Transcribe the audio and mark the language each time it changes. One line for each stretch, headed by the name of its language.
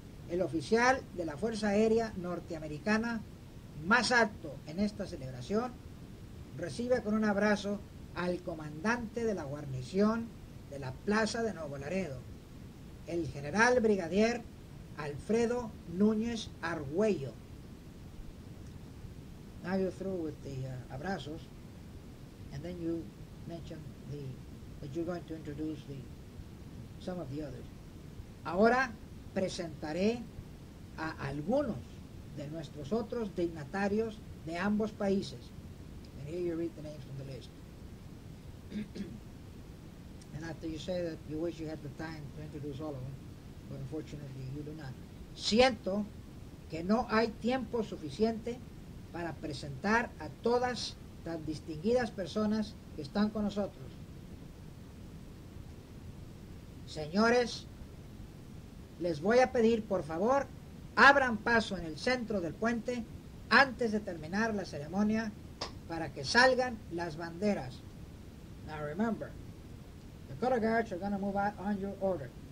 Spanish: el oficial de la Fuerza Aérea norteamericana más alto en esta celebración recibe con un abrazo al comandante de la guarnición de la Plaza de Nuevo Laredo, el general brigadier Alfredo Núñez Argüello.
English: Now you're through with the abrazos, and then you mention that you're going to introduce some of the others.
Spanish: Ahora presentaré a algunos de nuestros otros dignatarios de ambos países.
English: And here you read the names from the list. And after you say that you wish you had the time to introduce all of them, but unfortunately you do not.
Spanish: Siento que no hay tiempo suficiente para presentar a todas las distinguidas personas que están con nosotros. Señores, les voy a pedir, por favor, abran paso en el centro del puente antes de terminar la ceremonia para que salgan las banderas.
English: Now remember, the color guards are going to move out on your order.